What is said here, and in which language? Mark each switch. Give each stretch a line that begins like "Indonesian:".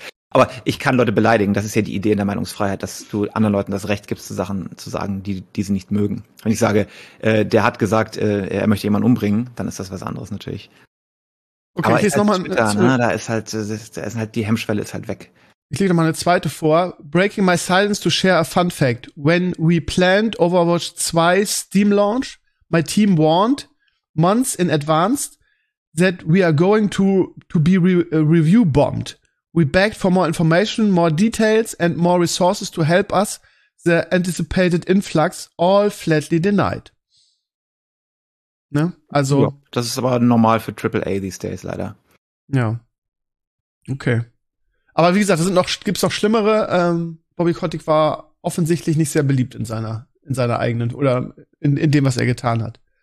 German: Aber ich kann Leute beleidigen. Das ist ja die Idee in der Meinungsfreiheit, dass du anderen Leuten das Recht gibst, Sachen zu sagen, die sie nicht mögen. Wenn ich sage, der hat gesagt, er möchte jemanden umbringen, dann ist das was anderes natürlich. Okay, aber ich lese nochmal Twitter, ne? Da ist halt die Hemmschwelle ist halt weg. Ich lege nochmal eine zweite vor.
English: Breaking my silence to share a fun fact. When we planned Overwatch 2 Steam launch, my team warned months in advance that we are going to be review bombed. We begged for more information, more details and more resources to help us. The anticipated influx, all flatly denied.
German: Ne? Also. Ja, das ist aber normal für AAA
English: these days,
German: leider. Ja. Okay. Aber wie gesagt, gibt's noch schlimmere. Bobby Kotick war offensichtlich nicht sehr beliebt in seiner eigenen oder in dem, was er getan hat.